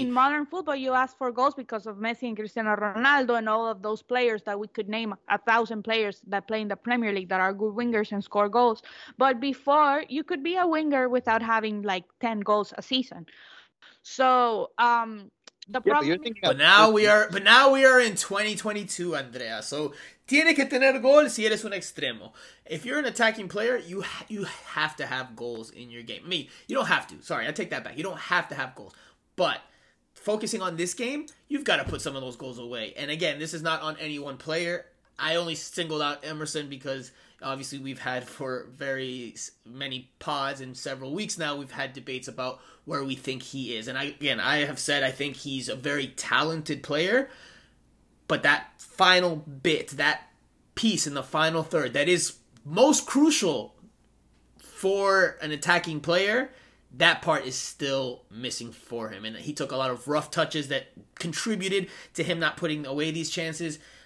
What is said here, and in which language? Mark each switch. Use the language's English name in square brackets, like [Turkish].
[English] in modern football you ask for goals because of Messi and Cristiano Ronaldo and all of those players that we could name 1,000 players that play in the Premier League that are good wingers and score goals. But before, you could be a winger without having like 10 goals a season. So the Yeah, but you're problem is thinking of but now we are in 2022, Andrea. [Spanish] So, tiene que tener gol si eres un extremo. [English] If you're an attacking player, you have to have goals in your game. I mean, you don't have to. Sorry, I take that back. You don't have to have goals. But focusing on this game, you've got to put some of those goals away. And again, this is not on any one player. I only singled out Emerson because obviously we've had for very many pods in several weeks now, we've had debates about where we think he is. And I have said I think he's a very talented player, but that final bit, that piece in the final third that is most crucial for an attacking player, that part is still missing for him. And he took a lot of rough touches that contributed to him not putting away these chances.